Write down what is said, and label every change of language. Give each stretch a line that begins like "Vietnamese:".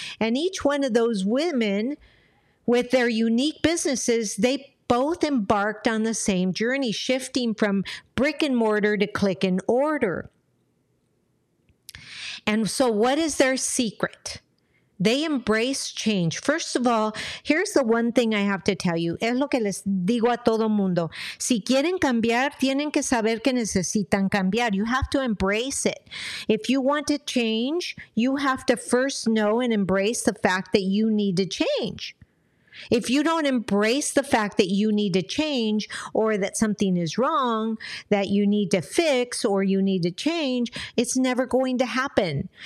English: And each one of those women with their unique businesses, they both embarked on the same journey, shifting from brick and mortar to click and order. And so what is their secret? They embrace change. First of all, here's the one thing I have to tell you.
Spanish: Es lo que les digo a todo mundo. Si quieren cambiar, tienen que saber que necesitan cambiar.
English: You have to embrace it. If you want to change, you have to first know and embrace the fact that you need to change. If you don't embrace the fact that you need to change or that something is wrong, that you need to fix or you need to change, it's never going to happen.